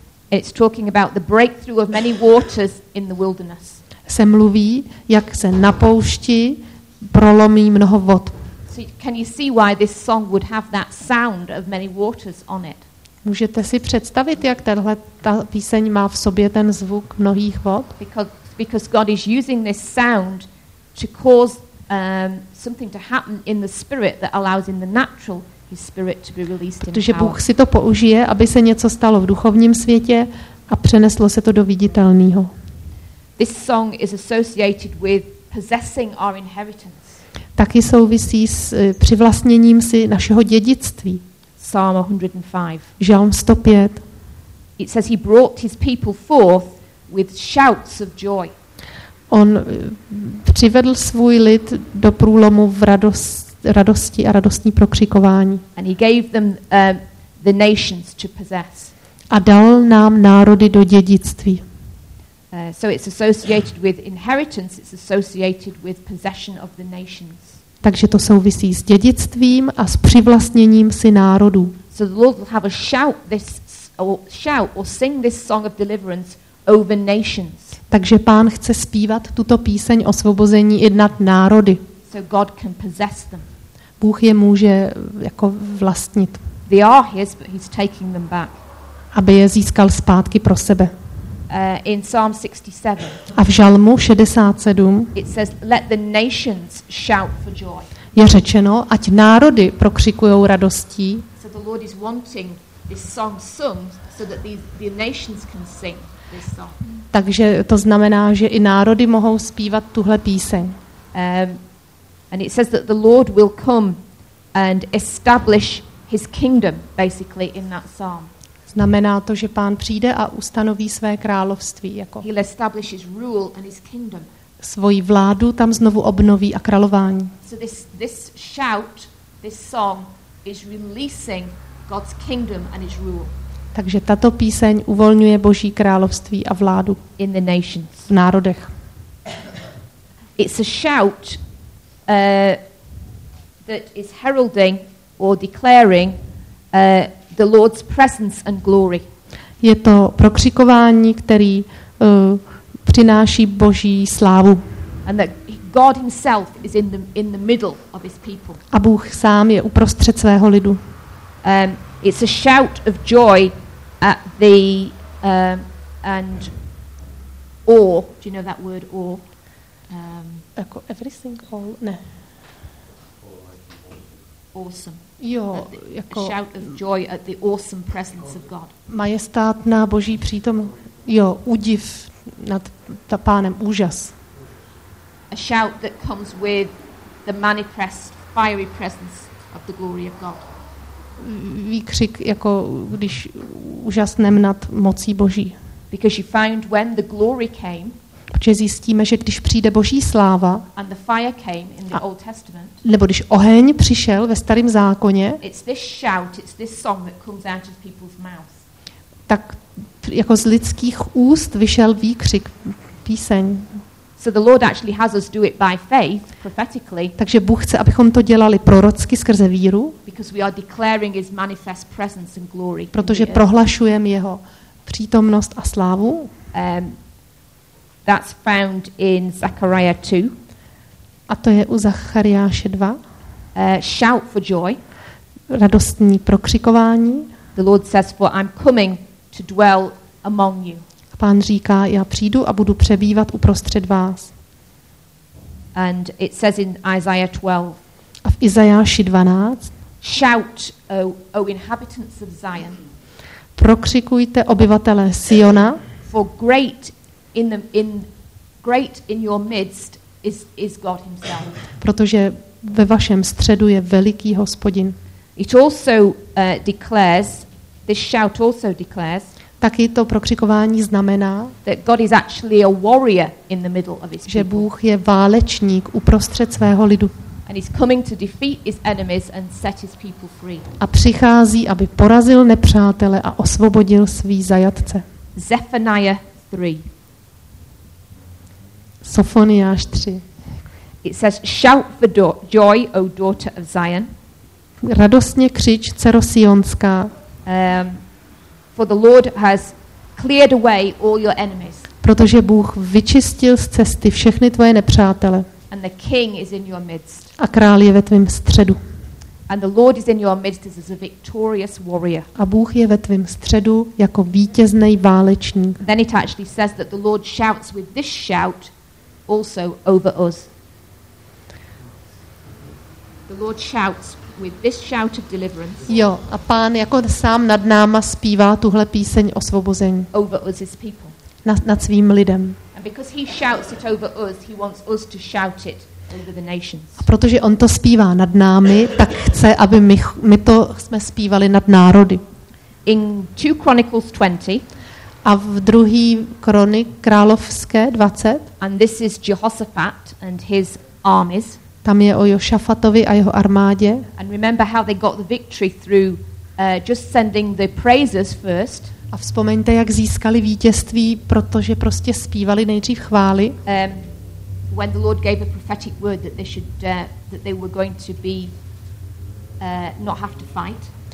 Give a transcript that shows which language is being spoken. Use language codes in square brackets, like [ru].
[en] It's talking about the breakthrough of many waters in the wilderness. [cs] Se mluví, jak se na poušti prolomí mnoho vod. [en] So can you see why this song would have that sound of many waters on it? [cs] Můžete si představit, jak ta píseň má v sobě ten zvuk mnohých vod? [en] Because God is using this sound to cause something to happen in the spirit that allows in the natural his spirit to be released in power. [cs] Protože Bůh si to použije, aby se něco stalo v duchovním světě a přeneslo se to do viditelného. [en] This song is associated with possessing our inheritance. [cs] Taky souvisí s přivlastněním si našeho dědictví. [en] Psalm 105. [cs] Žalm 105. [en] It says he brought his people forth with shouts of joy. [cs] On přivedl svůj lid do průlomu v radosti a radostní prokřikování. [en] And he gave them the nations to possess. [cs] A dal nám národy do dědictví. [en] So it's associated with inheritance, it's associated with possession of the nations. [cs] Takže to souvisí s dědictvím a s přivlastněním si národů. [en] So the Lord will have a shout or sing this song of deliverance over nations. [cs] Takže Pán chce zpívat tuto píseň osvobození i nad národy. [en] So God can possess them. [cs] Bůh je může jako vlastnit. [en] They are his, but he's taking them back. [cs] Aby je získal zpátky pro sebe. [en] In Psalm 67. [cs] A v Žalmu 67. [en] It says let the nations shout for joy. [cs] Je řečeno, ať národy prokřikujou radostí. [en] So the Lord is wanting this song sung so that the nations can sing this song. [cs] Takže to znamená, že i národy mohou zpívat tuhle píseň. [en] And it says that the Lord will come and establish his kingdom basically in that psalm. [cs] Znamená to, že Pán přijde a ustanoví své království jako [en] he'll establish his rule and his kingdom. [cs] Svoji vládu tam znovu obnoví a králování. [en] So this shout, this song is releasing God's kingdom and his rule. [cs] Takže tato píseň uvolňuje Boží království a vládu [en] in the nations. [cs] V národech. [en] It's a shout that is heralding or declaring the Lord's presence and glory. [cs] Je to prokřikování, který přináší Boží slávu. [en] And that God himself is in the middle of his people. [cs] A Bůh sám je uprostřed svého lidu. [en] It's a shout of joy at the and awe. Do you know that word awe? [cs] Jako [en] everything all, [cs] ne. [en] Awesome. [cs] Jo, [en] a shout of joy at the awesome presence of God. [cs] Majestátná Boží přítomnost. Jo, údiv nad ta Pánem, úžas. [en] A shout that comes with the manifest fiery presence of the glory of God. [cs] Výkřik, jako když úžasnem nad mocí Boží. [en] Because you find when the glory came. [cs] Protože zjistíme, že když přijde Boží sláva, [en] and the fire came in the Old Testament, [cs] nebo když oheň přišel ve Starém zákoně, [en] it's this shout, it's this song that comes out of people's mouth. [cs] Tak jako z lidských úst vyšel výkřik, píseň. [en] So the Lord actually has us do it by faith, prophetically. [cs] Takže Bůh chce, abychom to dělali prorocky skrze víru. [en] Because we are declaring his manifest presence and glory. [cs] Protože prohlašujeme jeho přítomnost a slávu. [en] That's found in Zechariah 2. [cs] A to je u Zachariáše 2. [en] Shout for joy. [cs] Radostní prokřikování. [en] The Lord says, for I'm coming to dwell among you. [cs] Pán říká, já přijdu a budu přebývat uprostřed vás. [en] And it says in Isaiah 12. [cs] A v Izajáši 12. [en] Shout, O inhabitants of Zion. [cs] Prokřikujte, obyvatelé Siona. [en] For great in your midst is God himself. [cs] Protože ve vašem středu je veliký Hospodin. [en] It also declares, this shout also declares, [cs] taky to prokřikování znamená, [en] that God is actually a warrior in the middle of his people. [cs] Že Bůh je válečník uprostřed svého lidu. [en] And he's coming to defeat his enemies and set his people free. [cs] A přichází, aby porazil nepřátele a osvobodil svý zajatce. [en] Zephaniah 3. [cs] Sofoniáš 3. [en] It says, shout for joy, O daughter of Zion. [cs] Radostně křič, dcero Sionská. [en] For the Lord has cleared away all your enemies. [cs] Protože Bůh vyčistil z cesty všechny tvoje nepřátele. [en] And the king is in your midst. [cs] A král je ve tvém středu. [en] And the Lord is in your midst as a victorious warrior. [cs] A Bůh je ve tvém středu jako vítězný válečník. [en] Then it actually says that the Lord shouts with this shout also over us. The Lord shouts with this shout of deliverance. [cs] Jo, a Pán jako sám nad náma zpívá tuhle píseň osvobození. [en] Over us his people. [cs] Nad svým lidem. [en] And because he shouts it over us, he wants us to shout it over the nations. [cs] A protože on to zpívá nad námi, tak chce, aby my to jsme zpívali nad národy. [en] In 2 Chronicles 20. [cs] A v druhý kronik královské 20. [en] And this is Jehoshaphat and his armies. [cs] Tam je o Jošafatovi a jeho armádě. [en] And remember how they got the victory through just sending the praises first. [cs] A vzpomeňte, jak získali vítězství, protože prostě zpívali nejdřív chvály. [en] When the Lord gave a prophetic word that they should that they were going to be not have to fight.